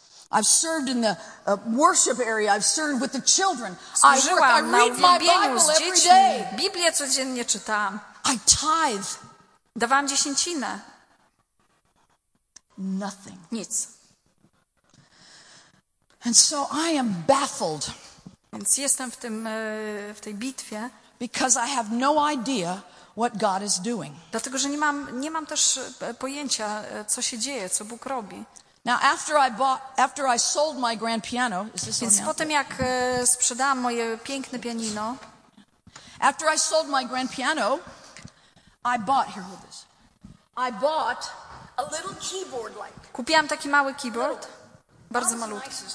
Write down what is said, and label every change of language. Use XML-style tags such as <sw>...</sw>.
<en>I've served in the worship area. I've served with the children.</en> <pl>Służyłam</pl> <en>I read my Bible every day.</en> <pl>Biblię codziennie czytam.</pl> <en>I tithe.</en> <pl>Dawałam dziesięcinę.</pl> <en>Nothing.</en> <pl>Nic.</pl> <en>And so I am baffled.</en> <pl>Więc jestem w tym w tej bitwie.</pl> <en>Because I have no idea what God is doing.</en> <pl>Dlatego, że nie mam też pojęcia, co się dzieje, co Bóg robi.</pl> <en>Now after I sold my grand piano, is this</en> <pl>więc potem jak sprzedałam moje piękne pianino.</pl> <en>After I sold my grand piano, I bought here with this. I bought a little keyboard like.</en> <pl>Kupiłam taki mały keyboard, bardzo malutki.</pl>